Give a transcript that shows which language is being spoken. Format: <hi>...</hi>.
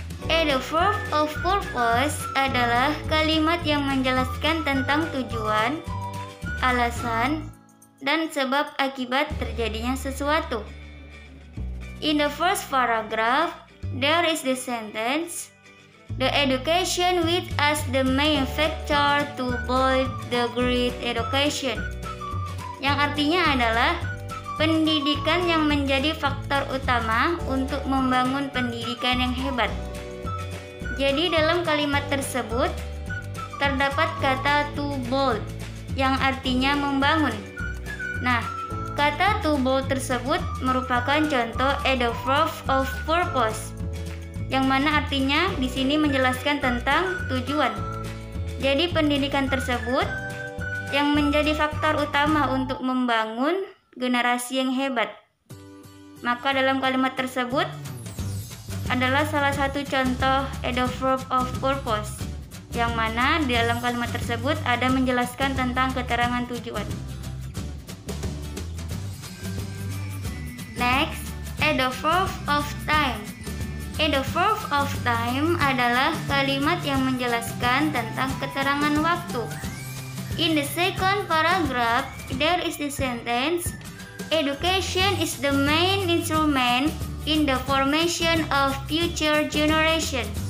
<id>Adverb of purpose adalah kalimat yang menjelaskan tentang tujuan, alasan, dan sebab akibat terjadinya sesuatu.</id> <en>In the first paragraph, there is the sentence, the education with us the main factor to build the great education.</en> <id>Yang artinya adalah, pendidikan yang menjadi faktor utama untuk membangun pendidikan yang hebat. Jadi dalam kalimat tersebut, terdapat kata to build, yang artinya membangun. Nah, kata to build tersebut merupakan contoh adverb of purpose, yang mana artinya di sini menjelaskan tentang tujuan. Jadi pendidikan tersebut yang menjadi faktor utama untuk membangun generasi yang hebat. Maka dalam kalimat tersebut adalah salah satu contoh adverb of purpose, yang mana di dalam kalimat tersebut ada menjelaskan tentang keterangan tujuan. Next, adverb of time. Adverb of time adalah kalimat yang menjelaskan tentang keterangan waktu.</id> <en>In the second paragraph, there is the sentence, education is the main instrument in the formation of future generation.</en>